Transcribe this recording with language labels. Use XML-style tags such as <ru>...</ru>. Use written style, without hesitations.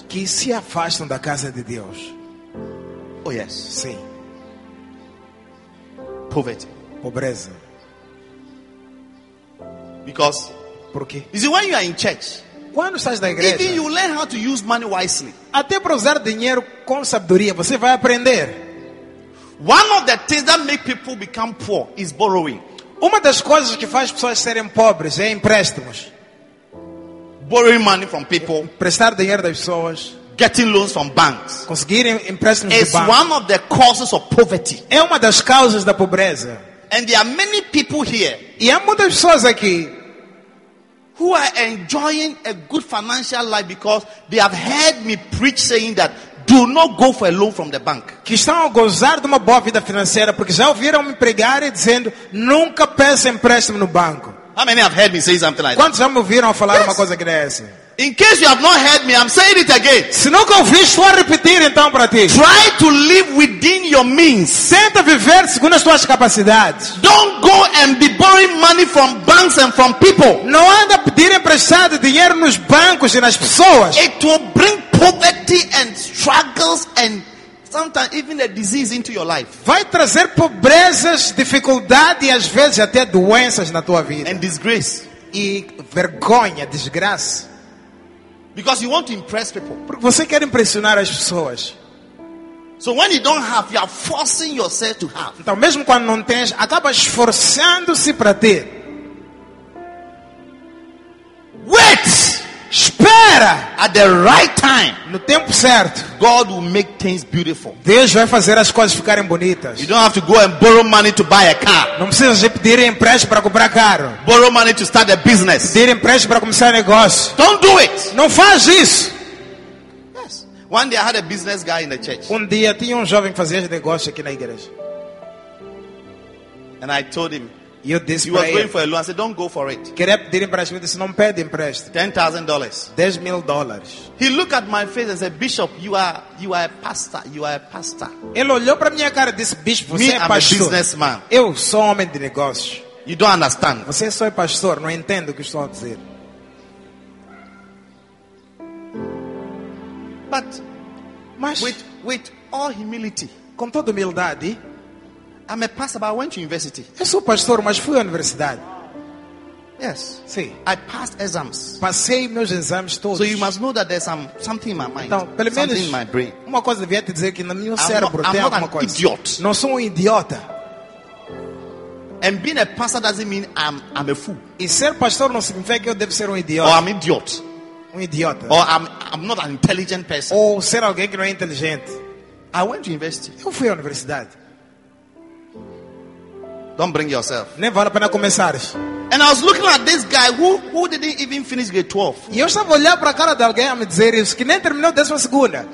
<pt>Que se afastam da casa de Deus.</pt> <en>Oh yes.</en> <pt>Sim.</pt> <en>Poverty.</en> <pt>Pobreza.</pt> <en>Because.</en> <pt>Por quê?</pt> <en>You see, when you are in church,</en> <pt>quando estás na igreja,</pt> <en>even you learn how to use money wisely.</en> <pt>Até para usar dinheiro com sabedoria, você vai aprender.</pt> <en>One of the things that make people become poor is borrowing.</en> <pt>Uma das coisas que faz pessoas serem pobres é empréstimos.</pt> <en>Borrowing money from people.</en> <pt>Prestar dinheiro das pessoas.</pt> <en>Getting loans from banks.</en> <pt>Conseguir empréstimos de banco.</pt> <en>It's one of the causes of poverty.</en> <pt>É uma das causas da pobreza.</pt> <en>And there are many people here.</en> <pt>E há muitas pessoas aqui.</pt> <en>Who are enjoying a good financial life because they have heard me preach saying that do not go for a loan from the bank.</en> <pt>Que estão a gozar de uma boa vida financeira porque já ouviram me pregar e dizendo nunca peça empréstimo no banco.</pt> <en>How many have heard me say something like</en> <pt>quantos Quantos já me ouviram falar yes. Uma coisa que é essa?</pt> <en>In case you have not heard me, I'm saying it again.</en> <pt>Se nunca ouviste, vou repetir então para ti.</pt> <en>Try to live within your means.</en> <pt>Tenta viver segundo as tuas capacidades.</pt> <en>Don't go and be borrowing money from banks and from people.</en> <pt>Não anda pedir emprestado dinheiro nos bancos e nas pessoas.</pt> <en>It will bring poverty and struggles and sometimes even a disease into your life.</en> <pt>Vai trazer pobrezas, dificuldade e às vezes até doenças na tua vida.</pt> <en>And disgrace.</en> <pt>E vergonha, desgraça.</pt> <en>Because you want to impress people.</en> <pt>Porque você quer impressionar as pessoas.</pt> <en>So when you don't have, you are forcing yourself to have.</en> <pt>Então mesmo quando não tens, acaba esforçando-se para ter.</pt> <en>Wait!</en> <pt>Espera!</pt> <en>At the right time,</en> <pt>no tempo certo,</pt> <en>God will make things beautiful.</en> <pt>Deus vai fazer as coisas ficarem bonitas.</pt> <en>You don't have to go and borrow money to buy a car.</en> <pt>Não precisa pedir empréstimo para comprar carro.</pt> <en>Borrow money to start a business.</en> <pt>Pedir empréstimo para começar um negócio.</pt> <en>Don't do it.</en> <pt>Não faz isso.</pt> <en>Yes. One day I had a business guy in the church.</en> <pt>Um dia tinha um jovem que fazia negócio aqui na igreja.</pt> <en>And I told him, you this he was going for a loan. I said, don't go for it.</en> <pt>Queria pedir empréstimo. Disse, não pede empréstimo.</pt> <en>$10,000.</en> <pt>$10,000.</pt> <en>He looked at my face and said, Bishop, you are a pastor. You are a pastor.</en> <pt>Ele olhou para minha cara e disse, Bishop, você é pastor.</pt> <en>Me, I'm a businessman.</en> <pt>Eu sou homem de negócios.</pt> <en>You don't understand.</en> <pt>Você só é pastor. Não entendo o que estou a dizer.</pt> <en>But,</en> <pt>mas,</pt> <en>with all humility,</en> <pt>com toda humildade,</pt> <en>I'm a pastor, but I went to university.</en> <pt>Eu sou pastor, mas fui à universidade.</pt> <en>Yes.</en> <pt>Sim.</pt> <en>I passed exams.</en> <pt>Passei meus exames todos.</pt> <en>So you must know that there's something in my mind.</en> <pt>Então, pelo menos,</pt> <en>something in my brain.</en> <pt>Uma coisa devia te dizer que no meu cérebro tem alguma coisa.</pt> <en>Idiot.</en> <pt>Não sou idiota.</pt> <en>And being a pastor doesn't mean I'm a fool.</en> <pt>E ser pastor não significa que eu devo ser idiota.</pt> <en>Or I'm idiot.</en> <pt>Idiota.</pt> <en>Or I'm not an intelligent person.</en> <pt>Ou ser alguém que não é inteligente.</pt> <en>I went to university.</en> <pt>Eu fui à universidade.</pt> <en>Don't bring yourself.</en> <pt>Nem vale a pena começares.</pt> <en>And I was looking at this guy who didn't even finish grade 12.</en> <pt>E eu estava olhando para a cara de alguém a me dizer isso, que nem terminou a 12ª.</pt>